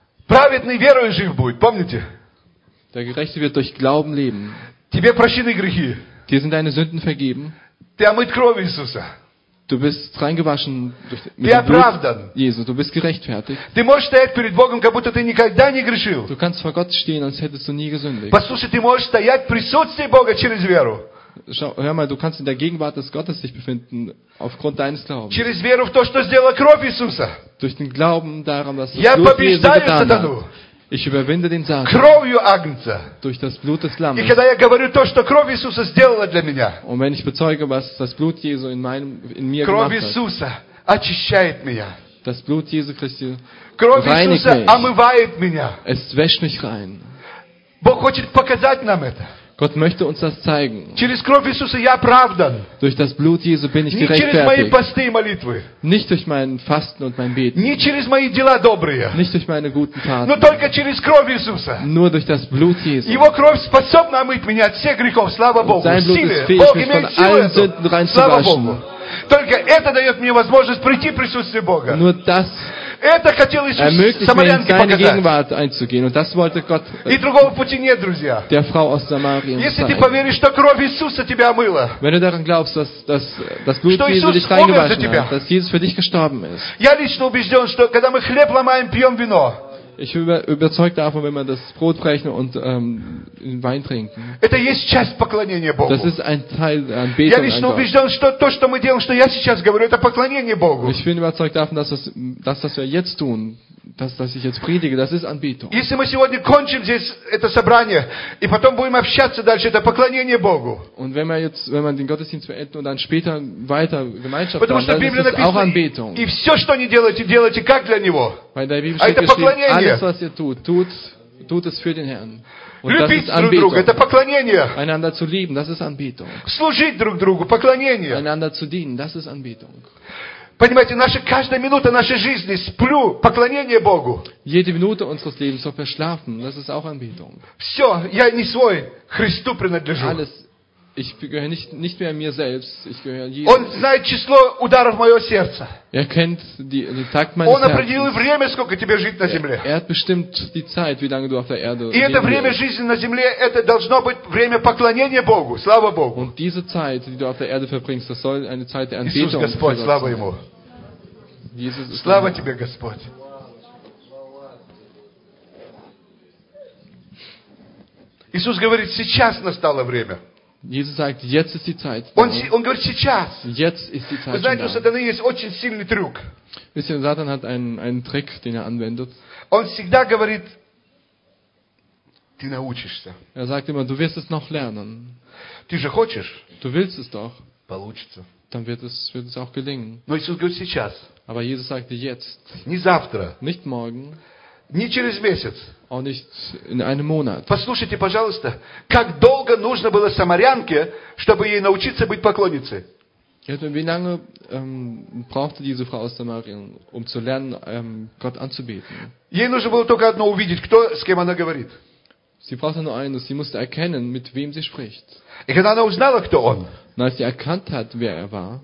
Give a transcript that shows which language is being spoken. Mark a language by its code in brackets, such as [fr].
[de] Der Gerechte wird durch Glauben leben. Dir sind deine Sünden vergeben. Du bist reingewaschen mit dem Blut Jesu, du bist gerechtfertigt. [ru] Ты можешь стоять перед Богом, как будто ты никогда не грешил. [de] Du kannst vor Gott stehen, als hättest du nie gesündigt. [ru] Послушай, ты можешь стоять в присутствии Бога через веру. [de] Hör mal, du kannst in der Gegenwart des Gottes dich befinden, aufgrund deines Glaubens. [ru] Через веру в то, что сделала кровь Иисуса. [de] Durch den Glauben daran, was das Blut Jesu getan hat. Ich überwinde den Satan durch das Blut des Lammes. [ru] И когда я говорю то, что кровь Иисуса сделала для меня. [de] Und wenn ich bezeuge, was das Blut Jesu in mir [ru] кровь [de] gemacht [ru] Иисуса [de] hat. [ru] Очищает меня. [de] Das Blut Jesu Christi [ru] кровь [de] reinigt [ru] Иисуса [de] mich. [ru] Омывает меня. [de] Es wäscht mich rein. [ru] Бог хочет показать нам это. [de] Gott möchte uns das zeigen. [ru] Через кровь Иисуса я оправдан. [de] Durch das Blut Jesu bin ich gerechtfertigt. Nicht durch meine Posten und [ru] Молитвы. [de] Nicht durch mein Fasten und mein Beten. Nicht [ru] через мои дела добрые. [de] Nicht durch meine guten Taten. Nur [ru] только через кровь Иисуса. [de] Nur durch das Blut Jesu. [ru] Его кровь способна омыть меня от всех грехов. Слава Богу. [de] Sein Blut ist fähig, mich von allen Sünden reinzuwaschen. [ru] Только это дает мне возможность прийти в присутствие Бога. [de] Nur das [ru] это хотел Иисус Самарянке показать. И другого пути нет, друзья. [de] Der Frau aus Samarien [ru] если ты поверишь, что кровь Иисуса тебя омыла, [de] wenn du daran glaubst, dass Blut Jesu dich reingewaschen hat, dass Jesus für dich gestorben ist. [ru] Я лично убежден, что когда мы хлеб ломаем, пьем вино. [de] Ich bin überzeugt davon, wenn man das Brot brechen und Wein trinken. Das ist ein Teil der Anbetung an Gott. Ich bin überzeugt davon, dass das wir jetzt tun, dass ich jetzt predige, das ist Anbetung. Und wenn man den Gottesdienst beendet und dann später weiter Gemeinschaft haben, dann ist das auch Anbetung. [ru] И все, что они делаете, делайте как для него. [de] Weil der Bibel steht, alles, was ihr tut es für den Herrn. Und das ist Anbetung. Einander zu lieben, das ist Anbetung. [ru] Служить друг другу, поклонение. [de] Einander zu dienen, das ist Anbetung. [ru] Понимаете, наша каждая минута нашей жизни сплю поклонение Богу. [de] Jede Minute unseres Lebens so verschlafen, das ist auch Anbetung. [ru] Все, я не свой, Христу принадлежу. [de] Alles, ich gehöre nicht mehr mir selbst, ich gehöre Jesus. [ru] Он знает число ударов моего сердца. [de] Er kennt den Takt meines Herzens. [ru] Он определил время, сколько тебе жить на земле. [de] Er hat bestimmt die Zeit, wie lange du auf der Erde leben wirst. [ru] И это время жизни на земле, это должно быть время поклонения Богу. Слава Богу. [de] Und diese Zeit, die du auf der Erde verbringst, das soll eine Zeit der Anbetung sein. [ru] Иисус Господь, слава ему. [de] Jesus ist [ru] слава [de] Gott. [ru] Тебе, Господь. Иисус говорит, сейчас настало время. [de] Jesus sagt, jetzt ist die Zeit. [ru] Он говорит, сейчас. [de] Jetzt ist die Zeit. [ru] Вы знаете, у Сатаны есть очень сильный трюк. [de] Wisst ihr, Satan hat einen Trick, den anwendet. [ru] Он всегда говорит, ты научишься. [de] Sagt immer, du wirst es noch lernen. [ru] Ты же хочешь. [de] Du willst es doch. [ru] Получится. [de] dann wird es auch gelingen. [ru] Но Иисус говорит сейчас. [de] Aber Jesus sagte jetzt. [ru] Не завтра. [de] Nicht morgen. [ru] Не через месяц. [de] Auch nicht in einem Monat. [ru] Послушайте, пожалуйста, как долго нужно было самарянке, чтобы ей научиться быть поклонницей? [de] Wie lange brauchte diese Frau aus Samarien, um zu lernen, Gott anzubeten? Sie brauchte nur eines, sie musste erkennen, mit wem sie spricht. Und als sie erkannt hat, wer er war,